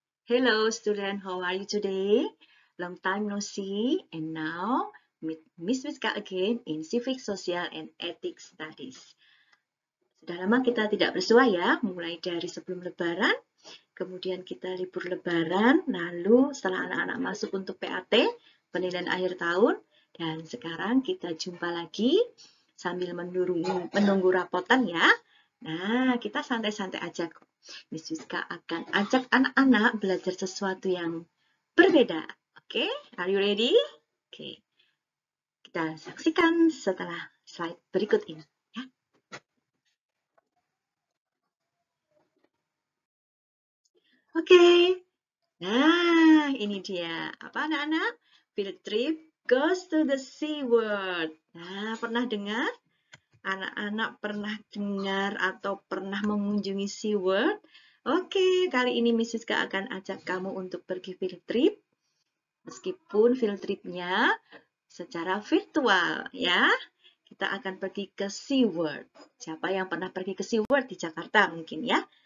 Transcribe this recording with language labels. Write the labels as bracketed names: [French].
[English] Hello student, how are you today? Long time no see, and now meet Miss Miska again in Civic, Social, and Ethics Studies. [Indonesian] Sudah lama kita tidak bersua ya, mulai dari sebelum Lebaran, kemudian kita libur Lebaran, lalu setelah anak-anak masuk untuk PAT, penilaian akhir tahun, dan sekarang kita jumpa lagi sambil menunggu rapotan ya. Nah, kita santai-santai aja kok. Miss Wiska akan ajak anak-anak belajar sesuatu yang berbeda. Oke, okay? [English] Are you ready? [Indonesian] Oke, okay. Kita saksikan setelah slide berikut ini. Ya. Oke, okay. Nah ini dia. Apa anak-anak? [English] Field trip goes to the sea world. [Indonesian] Nah, pernah dengar? Anak-anak pernah dengar atau pernah mengunjungi SeaWorld? Oke, kali ini Miss Siska akan ajak kamu untuk pergi field trip. Meskipun field tripnya secara virtual ya. Kita akan pergi ke SeaWorld. Siapa yang pernah pergi ke SeaWorld di Jakarta mungkin ya.